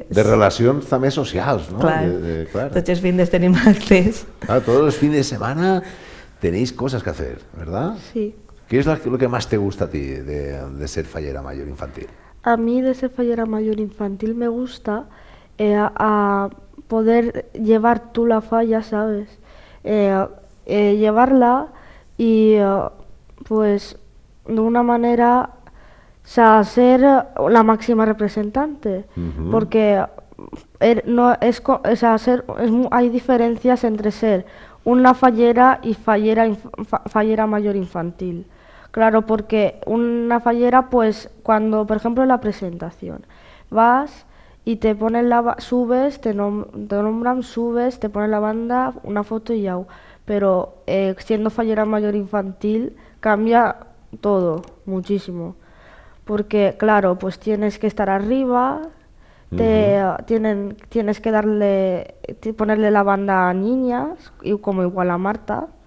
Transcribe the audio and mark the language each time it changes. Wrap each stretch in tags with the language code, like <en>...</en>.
<ca>De relacions també socials, no? Clar, clar. Tots els fins tenim altres. Clar, tots els fins de setmana tenéis coses que fer, ¿verdad? Sí. Què és el que més</ca> <es>te gusta a ti</es> <ca>de ser fallera major infantil?</ca> <es>A mi de ser fallera major infantil me gusta a poder llevar tu la falla, ¿sabes? Llevarla y pues...</es> <ca>d'una manera, o sea, ser la màxima representante, perquè no és, o sea, ser, és,</ca> <es>hay diferencias entre ser una fallera y fallera mayor infantil. Claro, porque una fallera, pues cuando, por ejemplo, la presentación, vas y te ponen la subes, te nombran, subes, te ponen la banda, una foto y ya. Pero siendo fallera mayor infantil cambia todo, muchísimo, porque claro, pues tienes que estar arriba, tienes que darle, ponerle la banda a niñas, y como igual a Marta,</es>